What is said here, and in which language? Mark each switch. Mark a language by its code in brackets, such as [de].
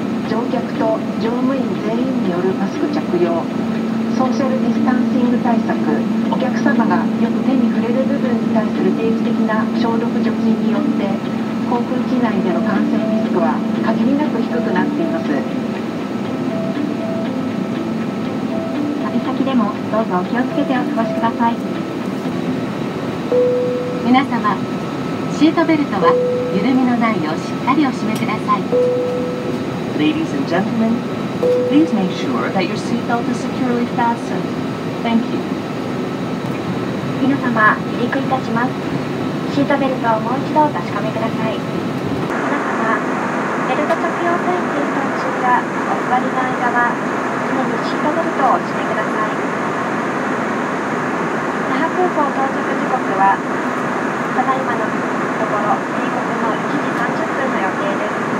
[ja] 乗客と乗務員全員によるマスク着用、ソーシャルディスタンシング対策、お客様がよく手に触れる部分に対する定期的な消毒除菌によって、航空機内での感染リスクは限りなく低くなっています。旅先でもどうぞお気をつけてお過ごしください。皆様、シートベルトは緩みのないようしっかりお締めください。 [en] Ladies and gentlemen, please make sure that your seatbelt is securely fastened. Thank you. [ja] 皆様、離陸いたします。シートベルトをもう一度お確かめください。皆様、ベルト着用タイミング中やお座りの間は、常にシートベルトをお締めください。那覇空港到着時刻は、ただいまのところ、米国の1時30分の予定です。